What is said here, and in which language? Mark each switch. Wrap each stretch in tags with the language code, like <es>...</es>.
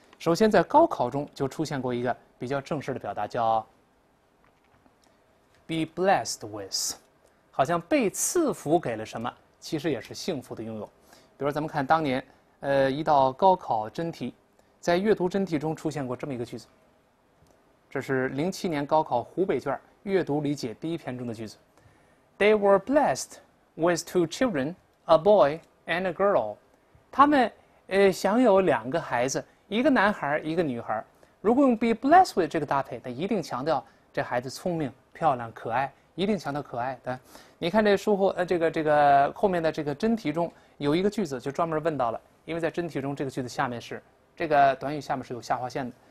<zh>首先在高考中就出现过一个比较正式的表达，叫</zh> <en>be blessed with，</en> <zh>好像被赐福给了什么，其实也是幸福的拥有。比如咱们看当年一道高考真题，在阅读真题中出现过这么一个句子，这是2007年高考湖北卷阅读理解第一篇中的句子。</zh> <en>They were blessed with two children, a boy and a girl.</en> <zh>他们享有两个孩子，一个男孩一个女孩。如果用</zh> <en>be blessed with</en> <zh>这个搭配，那一定强调这孩子聪明漂亮可爱，一定强调可爱，对。你看这书后这个后面的这个真题中有一个句子就专门问到了，因为在真题中这个句子下面是这个短语下面是有下划线的。</zh>